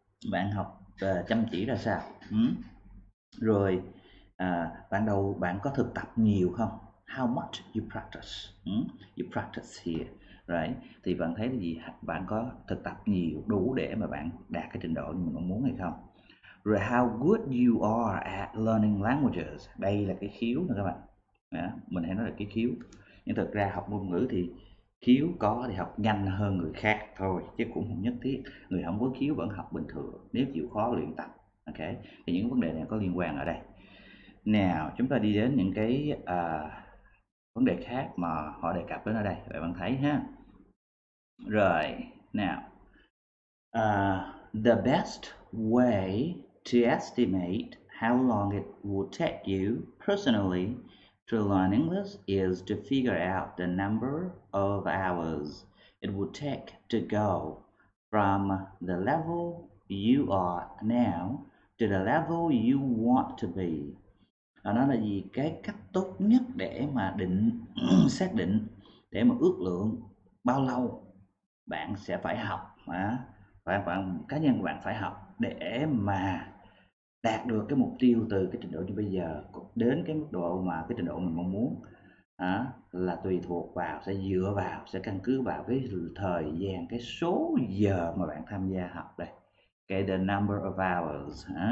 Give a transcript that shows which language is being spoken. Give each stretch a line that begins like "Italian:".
Vietnamese: Bạn học chăm chỉ ra sao? Rồi, bạn đầu bạn có thực tập nhiều không?
English: How much you practice? You practice here. Right.
Vietnamese: Thì bạn thấy là gì? Bạn có thực tập nhiều đủ để mà bạn đạt cái trình độ như mình mong muốn hay không?
English: Rồi how good you are at learning languages?
Vietnamese: Đây là cái khiếu nè các bạn. Mình hay nói là cái khiếu. Nhưng thực ra học ngôn ngữ thì khiếu có thì học nhanh hơn người khác thôi, chứ cũng không nhất thiết. Người không có khiếu vẫn học bình thường nếu chịu khó luyện tập. Ok. Thì những vấn đề này có liên quan ở đây. Nào, chúng ta đi đến những cái vấn đề khác mà họ đề cập đến ở đây, vậy bạn thấy ha.
English: Rồi, now, the best way to estimate how long it will take you personally to learn English is to figure out the number of hours it will take to go from the level you are now to the level you want to be.
Vietnamese: Nó là gì? Cái cách tốt nhất để mà định xác định, để mà ước lượng bao lâu bạn sẽ phải học, bạn cá nhân của bạn phải học để mà đạt được cái mục tiêu từ cái trình độ như bây giờ đến cái mức độ mà cái trình độ mình mong muốn, là tùy thuộc vào, sẽ dựa vào, sẽ căn cứ vào cái thời gian, cái số giờ mà bạn tham gia học đây, cái
English: the number of hours.